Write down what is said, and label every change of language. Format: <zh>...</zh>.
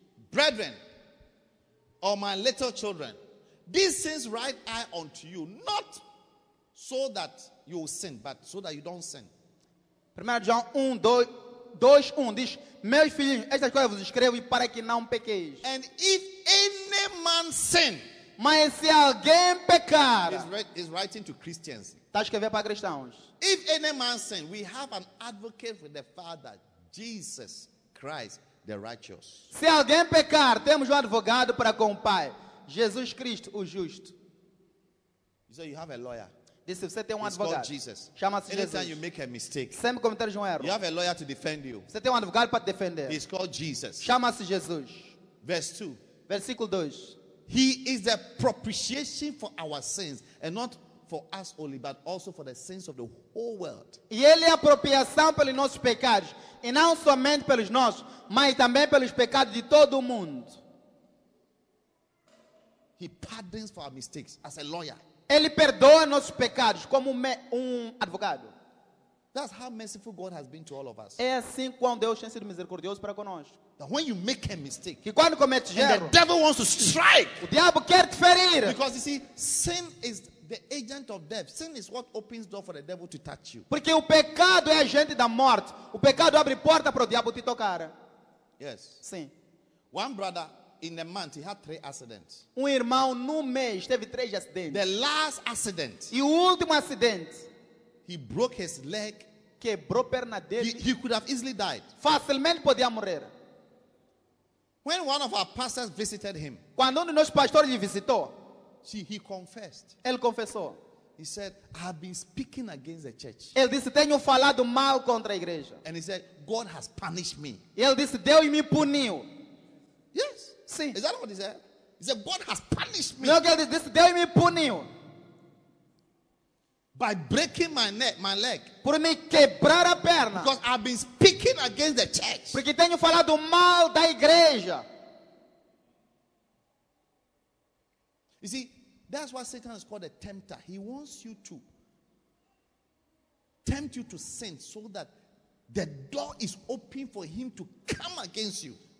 <en>brethren, or my little children, these things write I unto you, not so that you will sin, but so that you don't sin.</en> <pt>1 John 2:1 diz, meus filhos, estas coisas vos escrevo para que não pequeis.</pt> <en>And if any man sin,</en> <pt>mas se alguém pecar,</pt> <en>is writing to Christians.</en> <pt>Está escrevendo para cristãos.</pt> <en>If any man sin, we have an advocate with the Father, Jesus Christ, the righteous.</en> <pt>Se alguém pecar, temos advogado para com o Pai, Jesus Cristo, o justo.</pt> <en>You say you have a lawyer.</en> <pt>Disse, você tem advogado.</pt> <en>Called Jesus.</en> <pt>Chama-se</pt> <en>Anytime</en> <pt>Jesus.</pt> <en>You make a mistake,</en> <pt>sempre cometeres erro.</pt> <en>You have a lawyer to defend you.</en> <pt>Você tem advogado para te defender.</pt> <en>He's called Jesus.</en> <pt>Chama-se Jesus.</pt> <en>Verse 2.</en> <pt>Versículo 2.</pt> <en>He is the propitiation for our sins, and not for us only, but also for the sins of the whole world.</en> <pt>E ele é a propiciação pelos nossos pecados, e não somente pelos nossos, mas também pelos pecados de todo o mundo.</pt> <en>He pardons for our mistakes as a lawyer.</en> <pt>Ele perdoa nossos pecados como advogado.</pt> <en>That's how merciful God has been to all of us.</en> <pt>É assim quão Deus tem sido misericordioso para conosco.</pt> <en>That when you make a mistake,</en> <pt>que quando comete erro,</pt> <en>the devil wants to strike.</en> <pt>O diabo quer te ferir.</pt> <en>Because you see, sin is the agent of death. Sin is what opens door for the devil to touch you.</en> <pt>Porque o pecado é agente da morte. O pecado abre porta para o diabo te tocar.</pt> <en>Yes.</en> <pt>Sim.</pt> <en>One brother. In a month, he had three accidents.</en> <pt>Irmão, no mês, teve três acidentes.</pt> <en>The last accident.</en> <pt>E o último acidente.</pt> <en>He broke his leg.</en> <pt>Quebrou a perna dele.</pt> <en>He could have easily died.</en> <pt>Facilmente podia morrer.</pt> <en>When one of our pastors visited him.</en> <pt>Quando de nossos pastores lhe visitou.</pt> <en>He confessed.</en> <pt>Ele confessou.</pt> <en>He said, I have been speaking against the church.</en> <pt>Ele disse, tenho falado mal contra a igreja.</pt> <en>And he said, God has punished me.</en> <pt>Ele disse, Deus me puniu.</pt> <en>Yes.</en> <pt>Sim.</pt> <en>Is that what he said? He said, God has punished me. No, this</en> <pt>Deus me puniu.</pt> <en>By breaking my leg.</en> <pt>Por me quebrar a perna.</pt> <en>Because I've been speaking against the church.</en> <pt>Porque tenho falado mal da igreja.</pt> <en>You see, that's why Satan is called a tempter. He wants you to tempt you to sin so that the door is open for him to come against you.</en>